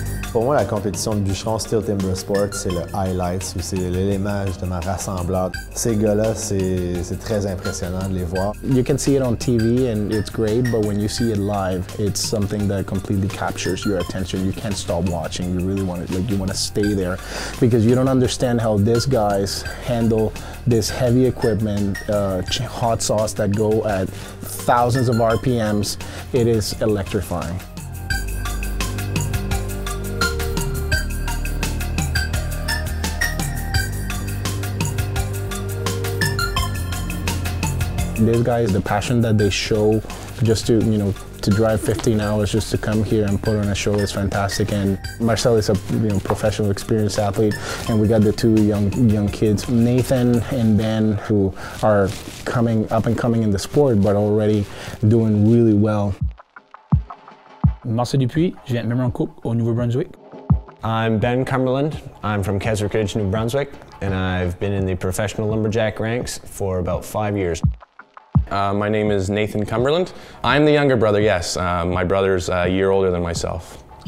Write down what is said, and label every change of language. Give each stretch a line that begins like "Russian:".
French: Pour moi, la compétition de bûcheron Steel Timber Sports, c'est le highlight, c'est l'élément justement rassembleur. Ces gars-là, c'est très impressionnant de les voir.
English: You can see it on TV and it's great, but when you see it live, it's something that completely captures your attention. You can't stop watching. You really want it, like you want to stay there, because you don't understand how these guys handle this heavy equipment, hot sauce that go at thousands of RPMs. It is electrifying. These guys, the passion that they show just to, you know, to drive 15 hours just to come here and put on a show is fantastic. And Marcel is a, you know, professional experienced athlete, and we got the two young kids, Nathan and Ben, who are coming up and coming in the sport but already doing really well.
French: Marcel Dupuis, je viens de Memorancook au Nouveau-Brunswick.
English: I'm Ben Cumberland. I'm from Keswick Ridge, New Brunswick, and I've been in the professional lumberjack ranks for about 5 years. My name is Nathan Cumberland. I'm the younger brother, yes. My brother's a year older than myself.